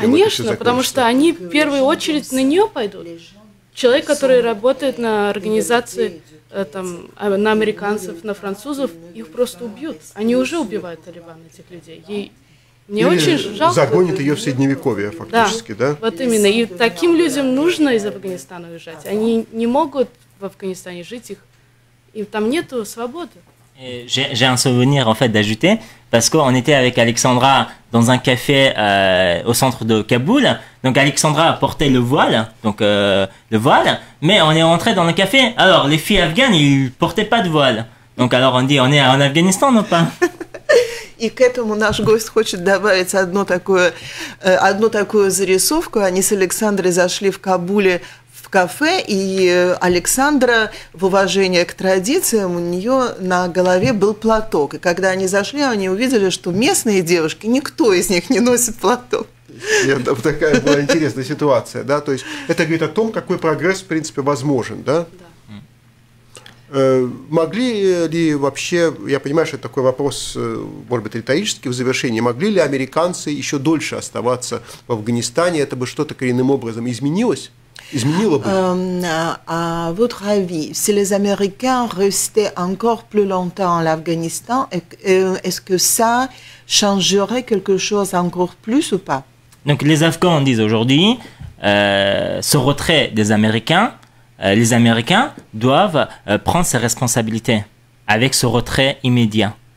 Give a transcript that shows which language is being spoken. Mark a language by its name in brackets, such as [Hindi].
[Russian] Конечно, потому что они в первую очередь на нее пойдут. Человек, который работает на организации там, на американцев, на французов, их просто убьют. Они уже убивают Талибан, этих людей. Ей... Мне или очень жалко. Загонит ее в Средневековье, фактически, да? Да, вот именно. И таким людям нужно из Афганистана уезжать. Они не могут в Афганистане жить, им там нет свободы. [French] J'ai un souvenir, en fait, d'ajouter, parce qu'on était avec Alexandra dans un café au centre de Kaboul. Donc, Alexandra portait le voile, donc le voile, mais on est rentré dans le café. Alors, les filles afghanes, ils ne portaient pas de voile. Donc, alors, on dit, on est en Afghanistan, non pas? [Russian] И к этому наш гость хочет добавить одну такую зарисовку. Они с Александрой зашли в Кабуле в кафе, и Александра, в уважение к традициям, у нее на голове был платок. И когда они зашли, они увидели, что местные девушки, никто из них не носит платок. такая была интересная ситуация, да, то есть это говорит о том, какой прогресс, в принципе, возможен, да? Могли ли вообще, я понимаю, что это такой вопрос, может быть, риторический в завершении, могли ли американцы еще дольше оставаться в Афганистане, это бы что-то коренным образом изменилось? Изменило бы? [French] À votre avis, si les Américains restaient encore plus longtemps en Afghanistan, est-ce que ça changerait quelque chose encore plus ou pas? Donc les Afghans disent aujourd'hui, ce retrait des Américains, les Américains doivent prendre ses responsabilités avec ce retrait immédiat.